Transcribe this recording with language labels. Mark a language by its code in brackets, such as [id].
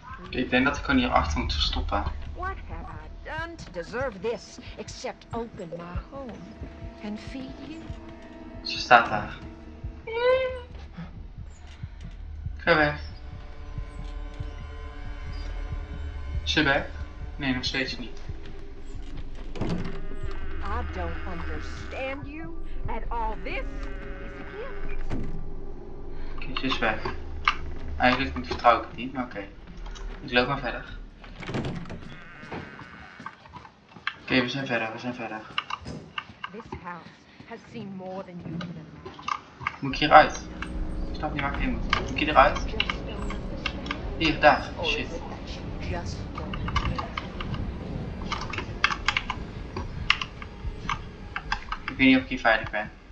[nl] Ik denk dat ik gewoon hierachter moet stoppen. [en] What have I done to deserve this, except open my home and feed you? [nl] Ze staat daar. Ga weg. Is ze weg? Nee, nog steeds niet. [en] I don't understand you at all. This is a gift. [nl] Oké, ze is weg. Eigenlijk niet, vertrouw ik het niet, maar oké. Ik loop maar verder. Oké, we zijn verder. [en] This house has seen more than you can imagine. [nl] Moet ik hieruit? Ik snap niet waar ik in moet. Moet ik hier eruit? Hier, daar. Shit. Ik weet niet of ik hier veilig ben.